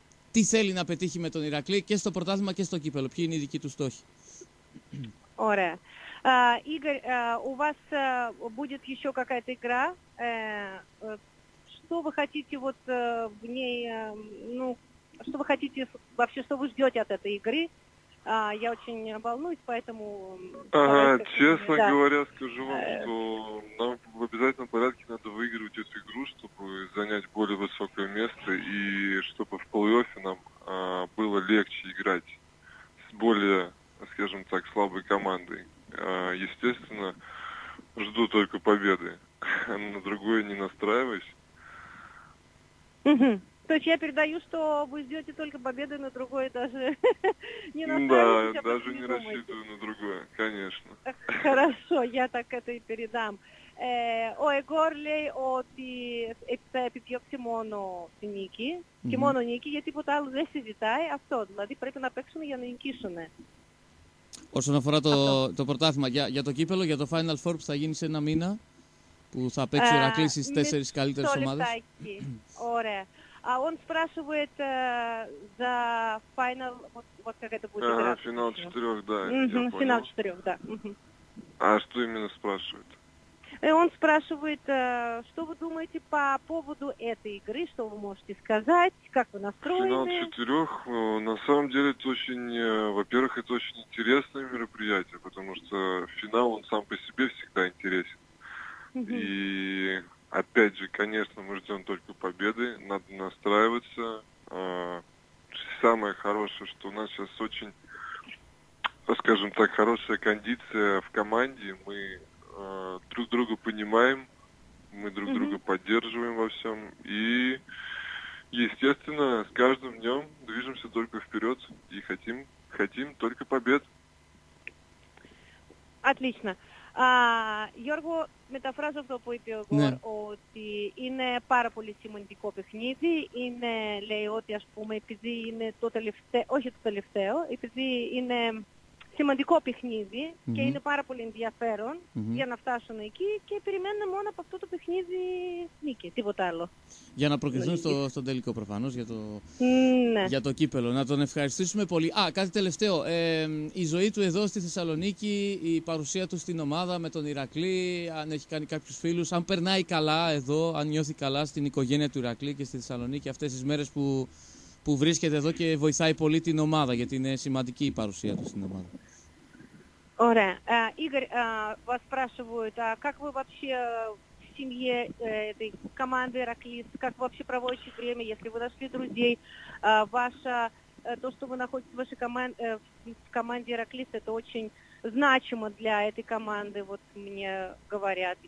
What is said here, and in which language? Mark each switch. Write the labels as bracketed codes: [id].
[el] Τι θέλει να πετύχει με τον Ηρακλή και στο πρωτάθλημα και στο Κύπελλο, ποιοι είναι οι δικοί του στόχοι? Ωραία. [ru] Игорь, у вас будет еще какая-то игра. Что вы хотите вот в ней, ну, что вы хотите вообще, что вы ждете от этой игры? Я очень волнуюсь, поэтому... честно говоря, скажу вам, что нам в обязательном порядке надо выигрывать эту игру, чтобы занять более высокое место и чтобы в плей-оффе нам было легче играть с более, скажем так, слабой командой. Естественно, жду только победы. На другое не настраиваюсь. То есть я передаю, что вы ждете только победы на другой этаже. Не да, даже не рассчитываю на другое, конечно. Хорошо, я так это и передам. [el] Ο Εγκόρ λέει ότι θα επιδιώξει μόνο τη νίκη και μόνο νίκη, γιατί τίποτα άλλο δεν συζητάει αυτό. Δηλαδή πρέπει να παίξουν για να νικήσουν. Όσον αφορά το πρωτάθλημα, για το κύπελο, για το Final Four που θα γίνει σε ένα μήνα, που θα παίξει ο Ηρακλής στις τέσσερις καλύτερες ομάδες. Ωραία. [ru] Он спрашивает за финал, вот как это будет? Финал четырех, да. Финал четырех, да. А что именно спрашивает? Он спрашивает, что вы думаете по поводу этой игры, что вы можете сказать, как вы настроены? Финал четырех, на самом деле, это очень, во-первых, это очень интересное мероприятие, потому что финал, он сам по себе всегда интересен. И... Опять же, конечно, мы ждем только победы, надо настраиваться. Самое хорошее, что у нас сейчас очень, скажем так, хорошая кондиция в команде. Мы друг друга понимаем, мы друг друга поддерживаем во всем. И, естественно, с каждым днем движемся только вперед и хотим только побед. Отлично. [el] Γιώργο, μεταφράζω αυτό που είπε ο Γκορ, ναι. Ότι είναι πάρα πολύ σημαντικό παιχνίδι. Είναι, λέει, ότι ας πούμε, επειδή είναι το τελευταίο, όχι το τελευταίο, επειδή είναι σημαντικό παιχνίδι και είναι πάρα πολύ ενδιαφέρον για να φτάσουν εκεί και περιμένουν μόνο από αυτό το παιχνίδι νίκη, τίποτα άλλο. Για να προκριθούν στο τελικό προφανώς για το, ναι. Για το κύπελο. Να τον ευχαριστήσουμε πολύ. Α, κάτι τελευταίο. Η ζωή του εδώ στη Θεσσαλονίκη, η παρουσία του στην ομάδα με τον Ηρακλή, αν έχει κάνει κάποιους φίλους, αν περνάει καλά εδώ, αν νιώθει καλά στην οικογένεια του Ηρακλή και στη Θεσσαλονίκη αυτές τις μέρες που βρίσκεται εδώ και βοηθάει πολύ την ομάδα, γιατί είναι σημαντική η παρουσία του στην ομάδα. Ωραία. [ru] Игорь, вас спрашивают, как вы вообще в семье этой команды Ираклис, как вы вообще проводите время, если вы нашли друзей, ваша, то, что вы находитесь в вашей команде, в команде Ираклис, это очень значимо для этой команды, вот мне говорят.